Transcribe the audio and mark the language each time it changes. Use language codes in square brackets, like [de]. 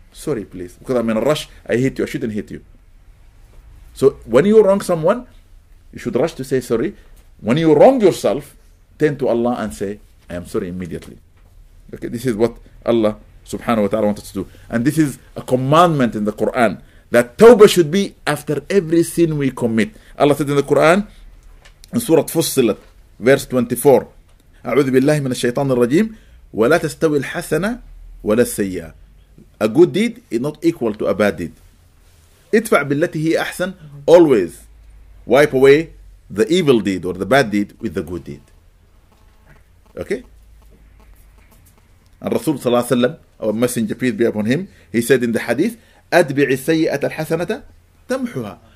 [en] Sorry, please, because I'm in a rush. I hit you, I shouldn't hit you. So when you wrong someone, you should rush to say sorry. When you wrong yourself, turn to Allah and say, I am sorry immediately. Okay, this is what Allah subhanahu wa ta'ala wanted to do. And this is a commandment in the Quran that tawbah should be after every sin we commit. Allah said in the Quran, in Surah Fussilat, verse 24, [ar] أعوذ بالله من الشيطان الرجيم ولا تستوي الحسنة ولا السيئة. [en] A good deed is not equal to a bad deed. [ar] ادفع بالتي هي أحسن. [en] Always wipe away the evil deed or the bad deed with the good deed. Okay? And Rasul [ar] صلى الله عليه وسلم, [en] our messenger peace be upon him, he said in the hadith, [ar] أتبع السيئة الحسنة تمحها.